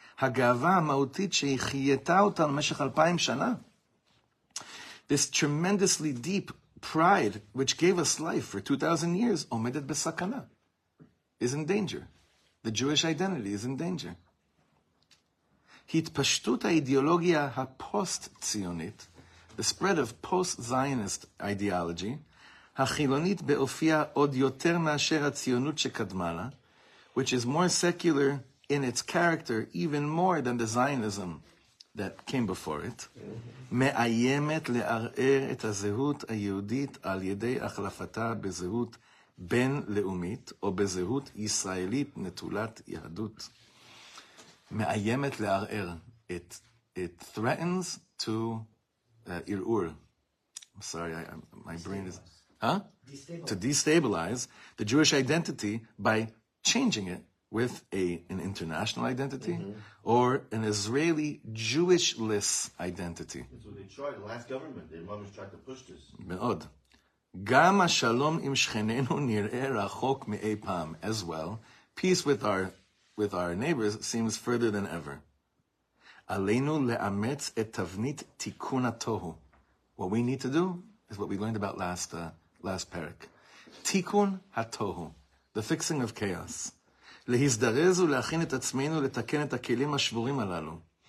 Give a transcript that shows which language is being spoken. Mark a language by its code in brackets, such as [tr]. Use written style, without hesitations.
[he] הגאווה המהותית שהחייתה אותנו משך 2,000 שנה. [en] This tremendously deep pride, which gave us life for 2,000 years, [he] עומדת בסכנה, [en] is in danger. The Jewish identity is in danger. [he] התפשטות האידיאולוגיה הפוסט-ציונית, [en] the spread of post-Zionist ideology, [he] החילונית באופיה עוד יותר מאשר הציונות שקדמה לה, [en] which is more secular in its character, even more than the Zionism that came before it, [he] מאיימת לערער את הזהות היהודית על ידי החלפתה בזהות בין-לאומית או בזהות ישראלית נטולת יהדות. מאיימת לערער. [en] It threatens to ערעור. I'm sorry, my brain is... Huh? To destabilize the Jewish identity by changing it with an international identity or an Israeli Jewishless identity. That's what they tried, the last government. They tried to push this. [he] מאוד. גם השלום עם שכנינו נראה רחוק מאי פעם, [en] as well. Peace with our neighbors seems further than ever. [he] עלינו לאמץ את תבנית תיקון התוהו. [en] What we need to do is what we learned about last פרק. [he] תיקון התוהו, [en] the fixing of chaos. [he] להזדרז ולהכין את עצמנו לתקן את הכלים השבורים הללו.